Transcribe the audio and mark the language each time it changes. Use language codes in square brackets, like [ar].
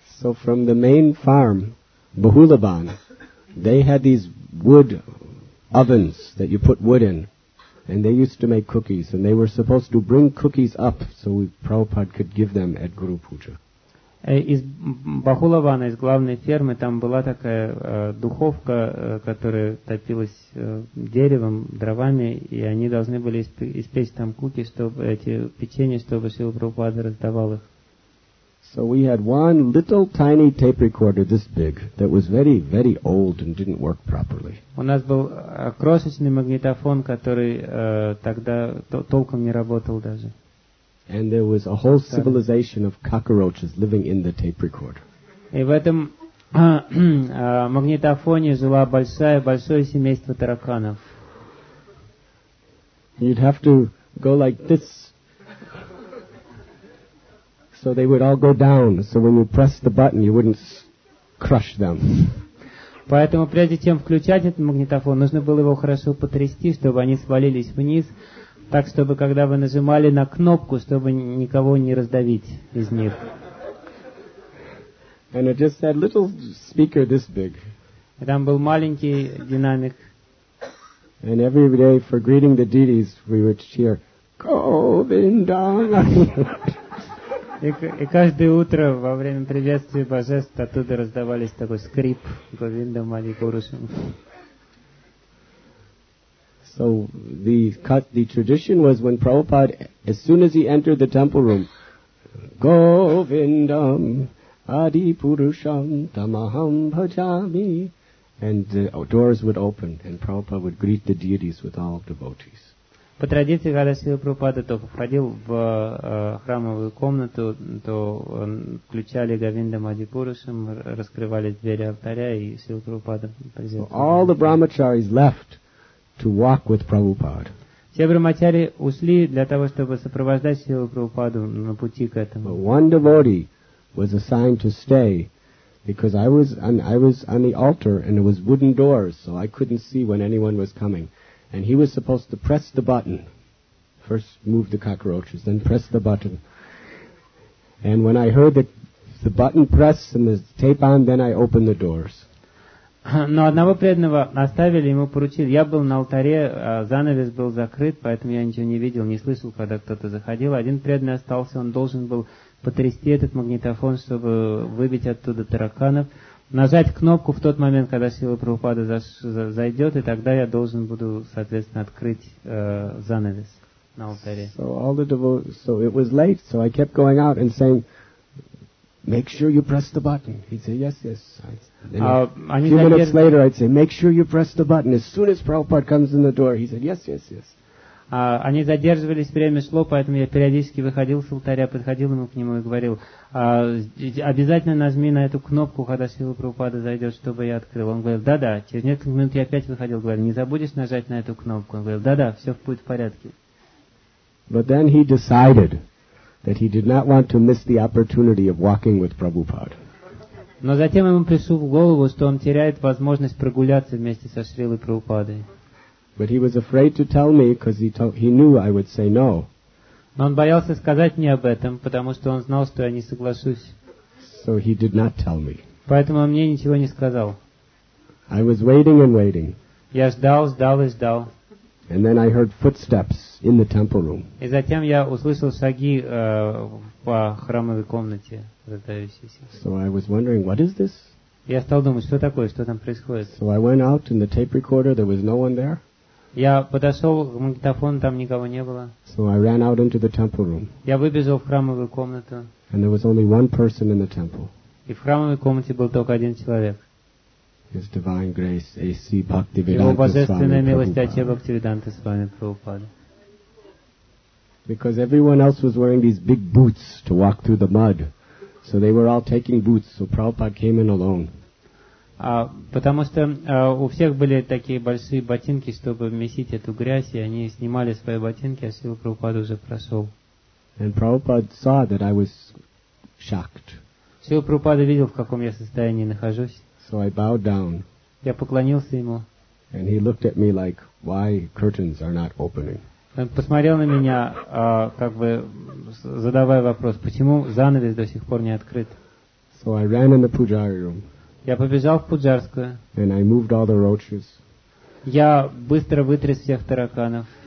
[en] So from the main farm, Bahulaban, they had these wood ovens that you put wood in, and they used to make cookies, and they were supposed to bring cookies up so Prabhupada could give them at Guru Puja. [ru] Из Бахулавана, из главной фермы, там была такая духовка, которая топилась деревом, дровами, и они должны были испечь там куки, чтобы эти печенья, чтобы Шрила Прабхупада раздавал их. [en] So we had one little tiny tape recorder this big that was very, very old and didn't work properly. [ru] У нас был крошечный магнитофон, который тогда толком не работал даже. [en] And there was a whole civilization of cockroaches living in the tape recorder. [ru] И в этом магнитофоне жила большое семейство тараканов. [en] You'd have to go like this. So they would all go down. So when you press the button, you wouldn't crush them. [ru] Поэтому прежде чем включать этот магнитофон, нужно было его хорошо потрясти, чтобы они свалились вниз, так чтобы когда вы нажимали на кнопку, чтобы никого не раздавить из них. [en] And it just had little speaker this big. [ru] И там был маленький динамик. [en] And every day for greeting the deities, we would cheer, Govindana. [ru] И каждое утро во время приветствия божеств оттуда раздавались такой скрип Говинда Мали Гурушам. [en] So the tradition was when Prabhupada, as soon as he entered the temple room, Govindam Adi Purusham Tamaham Bhajami, and the doors would open and Prabhupada would greet the deities with all devotees. [ru] По традиции, когда Шрила Прабхупада только входил в храмовую комнату, то включали Говинда Мади Пурушам, раскрывали двери алтаря, и Шрила Прабхупада приветствовал. [en] All the brahmacharis left to walk with Prabhupada. [ru] Все брахмачари ушли для того, чтобы сопровождать Шрилу Прабхупаду на пути к этому. [en] But one devotee was assigned to stay because I was on the altar and it was wooden doors, so I couldn't see when anyone was coming. And he was supposed to press the button. First move the cockroaches, then press the button. And when I heard the button press and the tape on, then I opened the doors. [ru] Но одного преданного оставили, ему поручили. Я был на алтаре, занавес был закрыт, поэтому я ничего не видел, не слышал, когда кто-то заходил. Один преданный остался, он должен был потрясти этот магнитофон, чтобы выбить оттуда тараканов. Нажать кнопку в тот момент, когда Шрила Прабхупада зайдет, и тогда я должен буду, соответственно, открыть занавес на алтаре. [en] So all the devotees, so it was late, so I kept going out and saying, make sure you press the button. He'd say, yes, yes. A few minutes later, I'd say, make sure you press the button. As soon as Prabhupada comes in the door, he said, yes, yes, yes. [ru] Они задерживались, время шло, поэтому я периодически выходил с алтаря, подходил ему к нему и говорил, обязательно нажми на эту кнопку, когда Шрила Прабхупада зайдет, чтобы я открыл. Он говорил, да-да. Через несколько минут я опять выходил, говорил, не забудешь нажать на эту кнопку? Он говорил, да-да, все будет в порядке. [en] But then he decided that he did not want to miss the opportunity of walking with Prabhupada. [ru] Но затем ему пришло в голову, что он теряет возможность прогуляться вместе со Шрилой Прабхупадой. [en] But he was afraid to tell me because he knew I would say no. [ru] Но он боялся сказать мне об этом, потому что он знал, что я не соглашусь. [en] So he did not tell me. [ru] Поэтому он мне ничего не сказал. [en] I was waiting and waiting. [ru] Я ждал, ждал и ждал. [en] And then I heard footsteps in the temple room. [ru] И затем я услышал шаги по храмовой комнате, раздающиеся. [en] So I was wondering, what is this? [ru] Я стал думать, что такое, что там происходит. [en] So I went out in the tape recorder, there was no one there. [ru] Я подошел к магнитофону, там никого не было. [en] So I ran out into the temple room. [ru] Я выбежал в храмовую комнату. [en] And there was only one person in the temple. [ru] И в храмовой комнате был только один человек. [en] His divine grace, A.C. Bhaktivedanta [ru] Swami Prabhupada. Его божественная милость, А.C. Бхактивиданта Свами Прабхупада. [en] Because everyone else was wearing these big boots to walk through the mud. So they were all taking boots, so Prabhupada came in alone. [ru] Потому что у всех были такие большие ботинки, чтобы вместить эту грязь, и они снимали свои ботинки, а Шрила Прабхупада уже прошел. [en] And Prabhupada saw that I was shocked. [ru] Шрила Прабхупада видел, в каком я состоянии нахожусь. [en] So I bowed down. [ru] Я поклонился ему. [en] And he looked at me like, why curtains are not opening? [ru] Он посмотрел на меня, как бы задавая вопрос, почему занавес до сих пор не открыт. [en] So I ran in the pujari room. [ru] Я побежал в пуджарскую. [en] And I moved all the roaches. [ru] Я быстро вытряс всех тараканов.